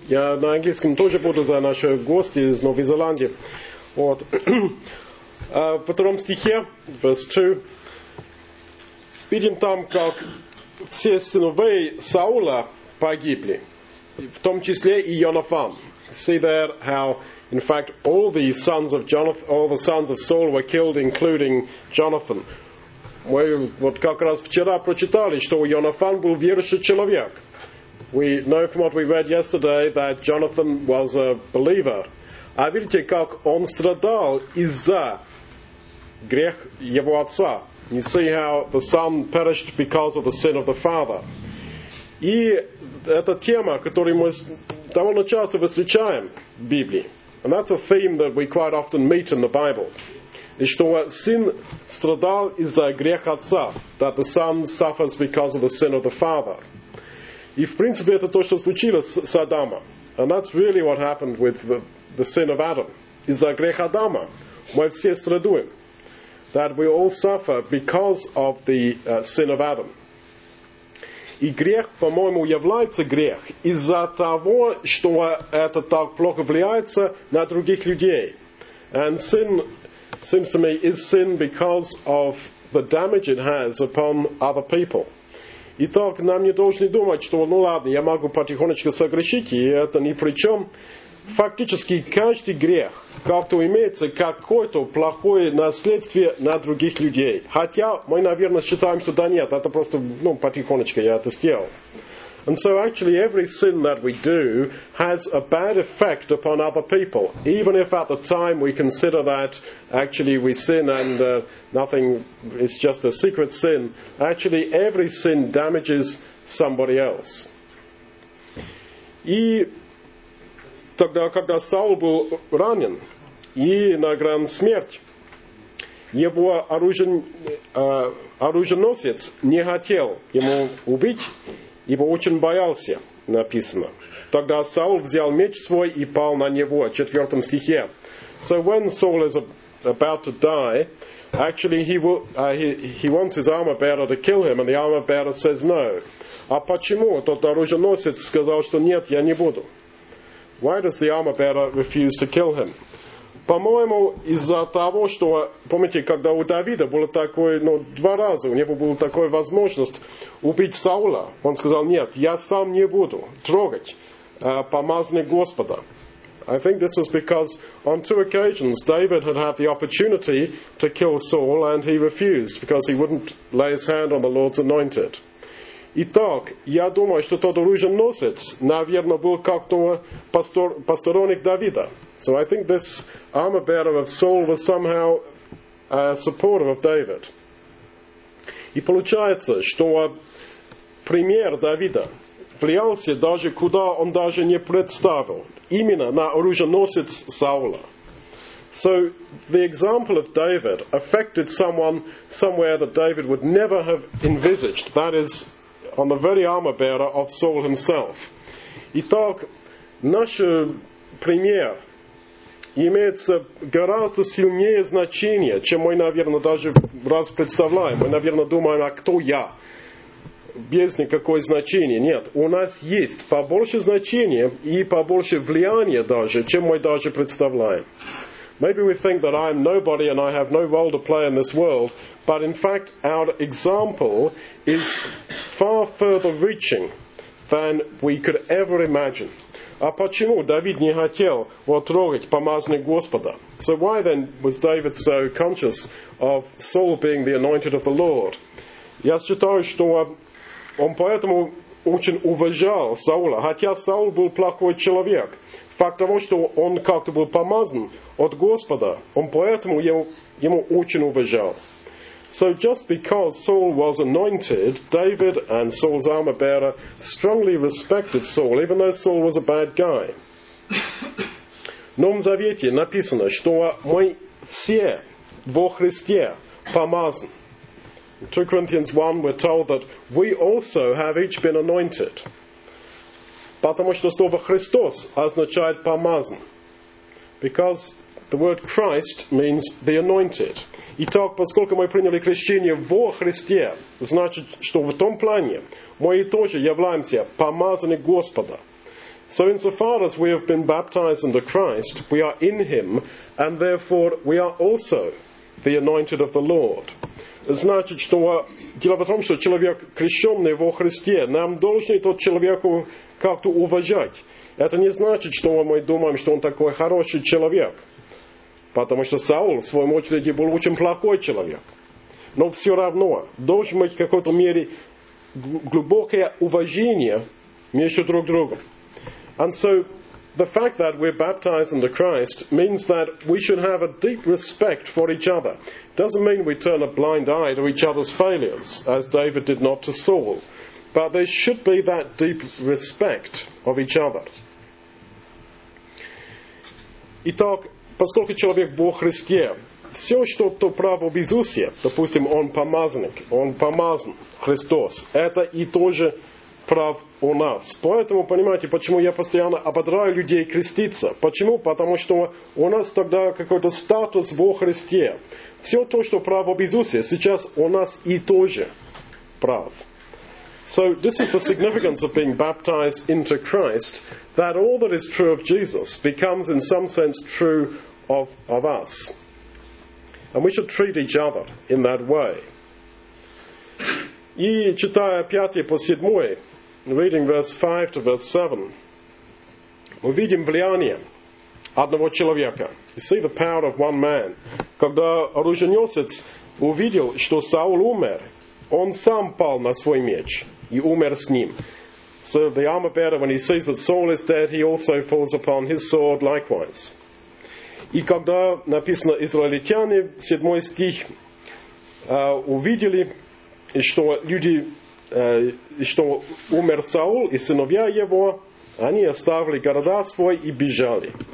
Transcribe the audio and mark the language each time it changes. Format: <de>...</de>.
<ru>Я на английском тоже буду за наши гости из Новой Зеландии. Вот. В втором стихе,</ru> <en>verse 2,</en> <ru>видим там, как все сыновей Саула погибли, в том числе и Йонафан.</ru> <en>See there how, in fact, all the sons of Saul were killed, including Jonathan.</en> <ru>Мы вот как раз вчера прочитали, что Йонафан был верующий человек.</ru> <en>We know from what we read yesterday that Jonathan was a believer.</en> <ru>А видите, как он страдал из-за грех его отца.</ru> <en>You see how the son perished because of the sin of the father.</en> <ru>И это тема, которую мы довольно часто встречаем в Библии.</ru> <en>And that's a theme that we quite often meet in the Bible.</en> <ru>И что сын страдал из-за греха отца.</ru> <en>That the son suffers because of the sin of the father.</en> <ru>И в принципе это то, что случилось с Адамом.</ru> <en>And that's really what happened with the sin of Adam.</en> <ru>Из-за греха Адама мы все страдуем.</ru> <en>That we all suffer because of the sin of Adam.</en> <ru>И грех, по-моему, является грех из-за того, что это так плохо влияется на других людей.</ru> <en>And sin, seems to me, is sin because of the damage it has upon other people.</en> <ru>Итак, нам не должны думать, что, ну ладно, я могу потихонечку согрешить, и это ни при чем. Фактически, каждый грех как-то имеется какое-то плохое наследствие на других людей. Хотя мы, наверное, считаем, что да нет, это просто, ну, потихонечку я это сделал.</ru> <en>And so, actually, every sin that we do has a bad effect upon other people. Even if at the time we consider that, actually, we sin and nothing, it's just a secret sin. Actually, every sin damages somebody else.</en> <ru>И тогда, когда Саул был ранен и на грани смерти, его оруженосец не хотел ему убить, ибо очень боялся, написано. Тогда Саул взял меч свой и пал на него, в 4 стихе.</ru> <en>So when Saul is about to die, actually he wants his armor bearer to kill him, and the armor bearer says no.</en> <ru>А почему тот оруженосец сказал, что нет, я не буду?</ru> <en>Why does the armor bearer refuse to kill him?</en> <ru>По-моему, из-за того, что, помните, когда у Давида было такое, ну, два раза у него была такая возможность убить Саула, он сказал, нет, я сам не буду трогать помазанный Господа.</ru> <en>I think this was because on two occasions David had the opportunity to kill Saul and he refused because he wouldn't lay his hand on the Lord's anointed.</en> <ru>Итак, я думаю, что тот оруженосец, наверное, был как-то посторонник Давида.</ru> <en>So I think this armor bearer of Saul was somehow a supporter of David.</en> <ru>И получается, что премьер Давида влиялся даже куда он даже не представил, именно на оруженосец Саула.</ru> <en>So the example of David affected someone somewhere that David would never have envisaged. That is on the very armor bearer of Saul himself.</en> <ru>Итак, наш премьер имеется гораздо сильнее значение, чем мы, наверное, даже раз представляем. Мы, наверное, думаем, а кто я? Без никакого значения. Нет, у нас есть побольше значения и побольше влияния даже, чем мы даже представляем.</ru> <en>Maybe we think that I am nobody and I have no role to play in this world, but in fact our example is far further reaching than we could ever imagine.</en> <ru>А почему Давид не хотел трогать помазанного Господа?</ru> <en>So why then was David so conscious of Saul being the anointed of the Lord?</en> <ru>Я считаю, что он поэтому очень уважал Саула, хотя Саул был плохой человек. Факт того, что он как-то был помазан от Господа, он поэтому ему очень уважал.</ru> <en>So just because Saul was anointed, David and Saul's armor bearer strongly respected Saul, even though Saul was a bad guy.</en> <ru>В Новом Завете написано, что мы все во Христе помазан.</ru> <en>In 2 Corinthians 1 we're told that we also have each been anointed.</en> <ru>Потому что слово Христос означает помазан.</ru> <en>Because The word Christ means the anointed.</en> <ru>Итак, поскольку мы приняли крещение во Христе, значит, что в том плане мы тоже являемся помазанными Господа.</ru> <en>So insofar as we have been baptized into Christ, we are in Him, and therefore we are also the anointed of the Lord.</en> <ru>Значит, что дело в том, что человек, крещенный во Христе, нам должен тот человеку как-то уважать. Это не значит, что мы думаем, что он такой хороший человек. Потому что Саул, в своем очереди, был очень плохой человек. Но все равно, должен быть в какой-то мере глубокое уважение между друг другом.</ru> <en>And so, the fact that we're baptized into Christ means that we should have a deep respect for each other. It doesn't mean we turn a blind eye to each other's failures, as David did not to Saul. But there should be that deep respect of each other.</en> <ru>Итак, поскольку человек во Христе, все, что то право в Иисусе, допустим, он помазанник, он помазан, Христос, это и тоже прав у нас. Поэтому, понимаете, почему я постоянно ободраю людей креститься? Почему? Потому что у нас тогда какой-то статус во Христе. Все то, что право в Иисусе, сейчас у нас и тоже прав.</ru> <en>So this is the significance of being baptized into Christ, that all that is true of Jesus becomes in some sense true of us. And we should treat each other in that way.</en> <ru>И читая 5 по 7,</ru> <en>reading verse 5 to verse 7,</en> <ru>мы видим влияние одного человека.</ru> <en>You see the power of one man.</en> <ru>Когда оруженосец увидел, что Саул умер, он сам пал на свой меч. И умер с ним.</ru> <en>So the armor bearer, when he sees that Saul is dead, he also falls upon his sword likewise.</en> <ru>И когда написано израильтяне, 7 стих, увидели, что люди, что умер Саул и сыновья его, они оставили города свой и бежали.</ru>